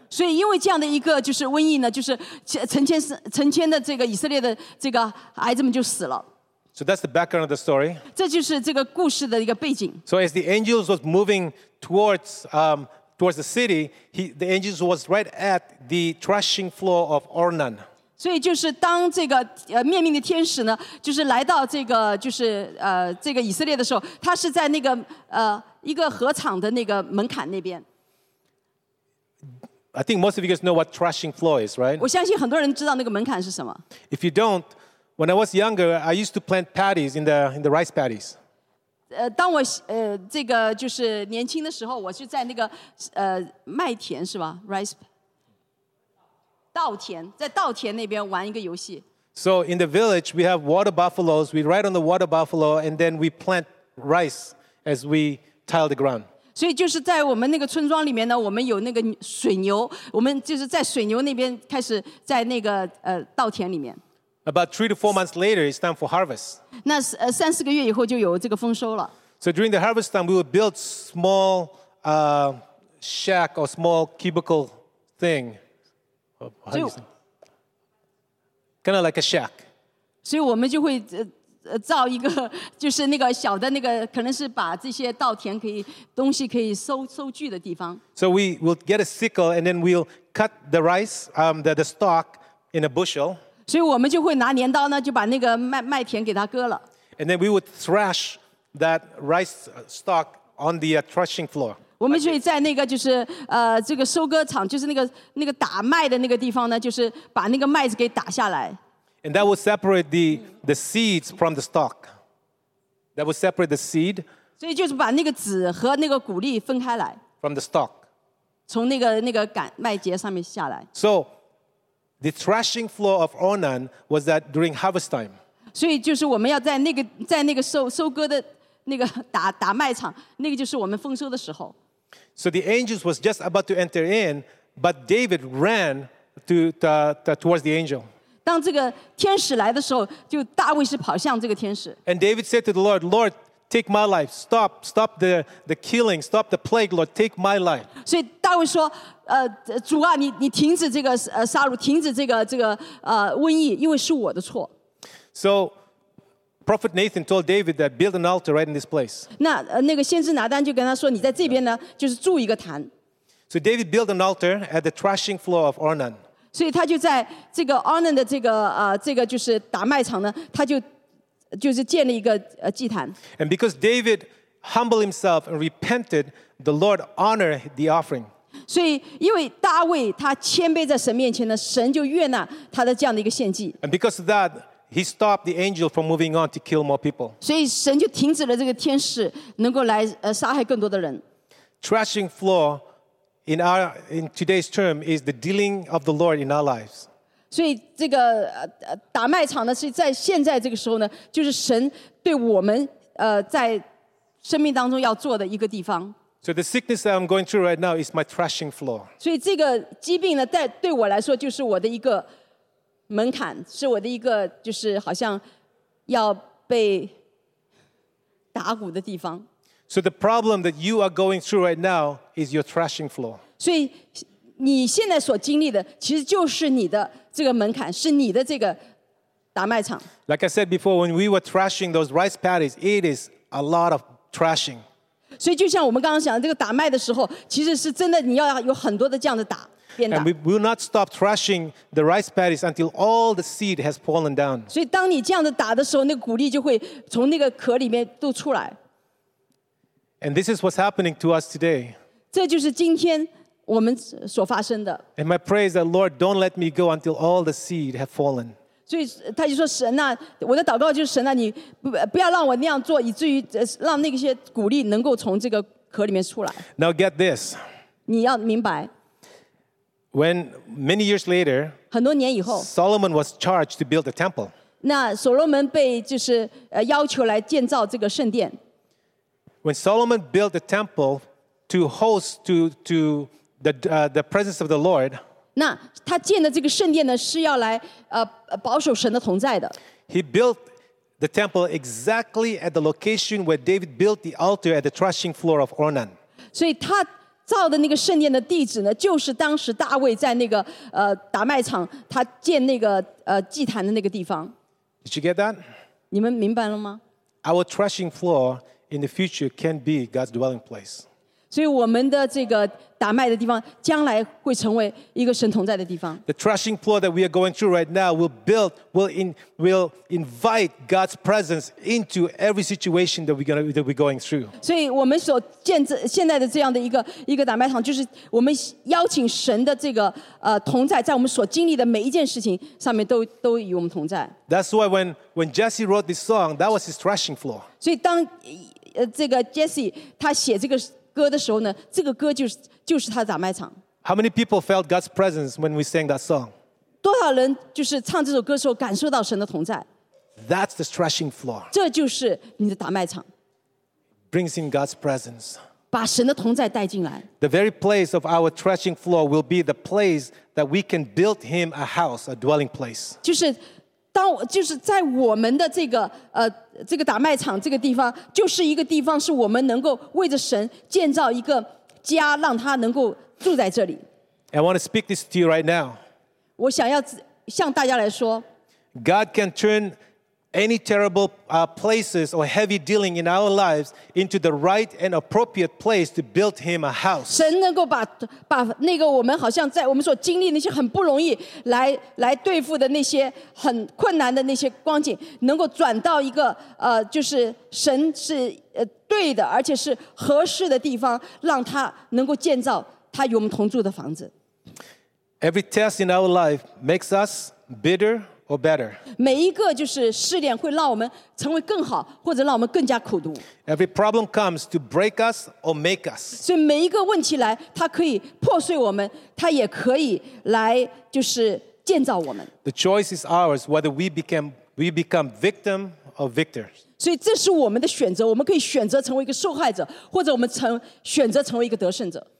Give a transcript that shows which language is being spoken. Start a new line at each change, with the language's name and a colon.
Chinese: 所以因为这样的一个就是瘟疫呢，就是成千的这个以色列的这个孩子们就死了。
English: So that's the background of the story.
Chinese: 这就是这个故事的一个背景。
English: So as the angels was moving towards the city, the angels was right at the threshing floor of Ornan.
Chinese: 所以就是当这个灭命的天使呢，就是来到这个就是这个以色列的时候，他是在那个一个禾场的那个门槛那边。
English: I think most of you guys know what threshing floor is, right?
Chinese: 我相信很多人知道那个门槛是什么。
English: If you don't, when I was younger, I used to plant paddies in the rice paddies.
Chinese: 当我这个就是年轻的时候，我就在那个麦田是吧 ？Rice.
English: So in the village, we have water buffaloes. We ride on the water buffalo, and then we plant rice as we till the ground.
Chinese: 所以就是在我们那个村庄里面呢，我们有那个水牛，我们就是在水牛那边开始在那个稻田里面。
English: About 3 to 4 months later, it's time for harvest.
Chinese: 那三四个月以后就有这个丰收了。
English: So during the harvest time, we would build small shack or small cubicle thing. How do you say? Kind of like a shack.
Chinese: 所以我们就会造一个，就是那个小的那个，可能是把这些稻田可以东西可以收据的地方。
English: So we will get a sickle and then we'll cut the rice, the stalk in a bushel.
Chinese: 所以我们就会拿镰刀呢，就把那个麦田给它割了。
English: And then we would thrash that rice stalk on the threshing floor.
Chinese: 我们就会在那个就是这个收割场，就是那个打麦的那个地方呢，就是把那个麦子给打下来。
English: And that will separate the seeds from the stalk. That will separate the seed.
Chinese: 所以就是把那个籽和那个谷粒分开来。
English: From the stalk.
Chinese: 从那个杆麦秸上面下来。
English: So, the threshing floor of Onan was that during harvest time.
Chinese: 所以就是我们要在那个收割的那个打麦场，那个就是我们丰收的时候。
English: So the angels was just about to enter in, but David ran to towards the angel.
Chinese: 当这个天使来的时候，就大卫是跑向这个天使。
English: And David said to the Lord, Lord, take my life. Stop the killing. Stop the plague, Lord. Take my life.
Chinese: 所以大卫说，主啊，你停止这个杀戮，停止这个瘟疫，因为是我的错。
English: So, Prophet Nathan told David that build an altar right in this place.
Chinese: 那个先知拿单就跟他说，你在这边呢，就是筑一个坛。
English: So David built an altar at the threshing floor of Ornan.
Chinese: 所以他就在这个 Ornan 的这个就是打麦场呢，他就是建了一个祭坛。
English: And because David humbled himself and repented, the Lord honored the offering.
Chinese: 所以因为大卫他谦卑在神面前呢，神就悦纳他的这样的一个献祭。
English: And because of that. He stopped the angel from moving on to kill more people.
Chinese: 所以神就停止了这个天使能够来杀害更多的人。
English: Threshing floor in today's term is the dealing of the Lord in our lives.
Chinese: 所以这个打麦场呢，是在现在这个时候呢，就是神对我们在生命当中要做的一个地方。
English: So the sickness that I'm going through right now is my threshing floor.
Chinese: 所以这个疾病呢，对我来说就是我的一个。门槛是我的一个，就是好像要被打鼓的地方。
English: So the problem that you are going through right now is your threshing floor.
Chinese: 所以你现在所经历的，其实就是你的这个门槛，是你的这个打麦场。
English: Like I said before, when we were threshing those rice paddies, it is a lot of threshing.
Chinese: 所以就像我们刚刚讲的，这个打麦的时候，其实是真的你要有很多的这样的打。
English: And we will not stop threshing the rice paddies until all the seed has fallen down.
Chinese: 所以当你这样子打的时候，那个谷粒就会从那个壳里面都出来。
English: And this is what's happening to us today.
Chinese: 这就是今天我们所发生的。
English: And my prayer is that Lord, don't let me go until all the seed have fallen.
Chinese: 所以他就说神啊，我的祷告就是神啊，你不要让我那样做，以至于让那些谷粒能够从这个壳里面出来。
English: Now get this.
Chinese: 你要明白。
English: When many years later,
Chinese: 很多年以后,
English: Solomon was charged to build a temple.
Chinese: 那所罗门被就是要求来建造这个圣殿。
English: When Solomon built a temple to host to the presence of the Lord,
Chinese: 那他建的这个圣殿呢是要来保守神的同在的。
English: He built the temple exactly at the location where David built the altar at the threshing floor of Ornan.
Chinese: 所以他造的那个圣殿的地址呢，就是当时大卫在那个打麦场，他建那个祭坛的那个地方。
English: Did you get that?
Chinese: 你们明白了吗
English: ？Our threshing floor in the future can be God's dwelling place.
Chinese: 所以我们的这个打麦的地方，将来会成为一个神同在的地方。
English: The threshing floor that we are going through right now will invite God's presence into every situation that we're going through.
Chinese: 所以我们所建现在的这样的一个打麦场，就是我们邀请神的这个同在，在我们所经历的每一件事情上面都与我们同在。
English: That's why when Jesse wrote this song, that was his threshing floor.
Chinese: 所以当这个 Jesse 他写这个歌的时候呢，这个歌就是他的打麦场。
English: How many people felt God's presence when we sang that song?
Chinese: 多少人就是唱这首歌时候感受到神的同在。
English: That's the threshing floor.
Chinese: 这就是你的打麦场。
English: brings in God's presence.
Chinese: 把神的同在带进来。
English: The very place of our threshing floor will be the place that we can build him a house, a dwelling place.
Chinese: 就是当就是在我们的这个这个打麦场这个地方，就是一个地方是我们能够为着神建造一个家，让他能够住在这里。
English: I want to speak this to you right now.
Chinese: 我想要向大家来说。
English: God can turn any terrible places or heavy dealing in our lives into the right and appropriate place to build him a house.
Chinese: 神能够把那个我们好像在我们所经历那些很不容易来对付的那些很困难的那些光景，能够转到一个就是神是对的，而且是合适的地方，让他能够建造他与我们同住的房子。
English: Every test in our life makes us bitter or better.
Chinese: 每一个就是试炼会让我们成为更好，或者让我们更加苦读。
English: Every problem comes to break us or make us.
Chinese: 所以每一个问题来，它可以破碎我们，它也可以来就是建造我们。
English: The choice is ours whether we become victim or victor.
Chinese: 所以这是我们的选择，我们可以选择成为一个受害者，或者我们选择成为一个得胜者。